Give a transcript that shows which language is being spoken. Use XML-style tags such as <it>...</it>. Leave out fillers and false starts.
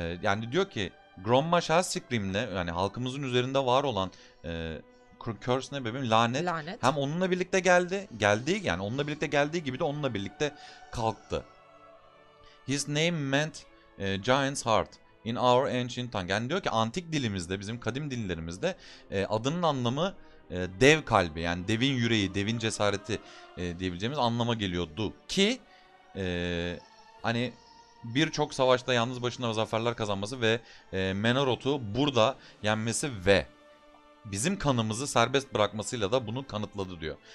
<tr>Yani diyor ki Grommash Hellscream'le yani halkımızın üzerinde var olan curse ne bebeğim lanet Lanet. hem onunla birlikte geldi yani onunla birlikte geldiği gibi de onunla birlikte kalktı.</tr> <en>His name meant giant's heart in our ancient tongue.</en> <tr>Yani diyor ki antik dilimizde bizim kadim dillerimizde adının anlamı dev kalbi yani devin yüreği, devin cesareti diyebileceğimiz anlama geliyordu ki hani birçok savaşta yalnız başına zaferler kazanması ve Menaroth'u burada yenmesi ve bizim kanımızı serbest bırakmasıyla da bunu kanıtladı diyor.</tr>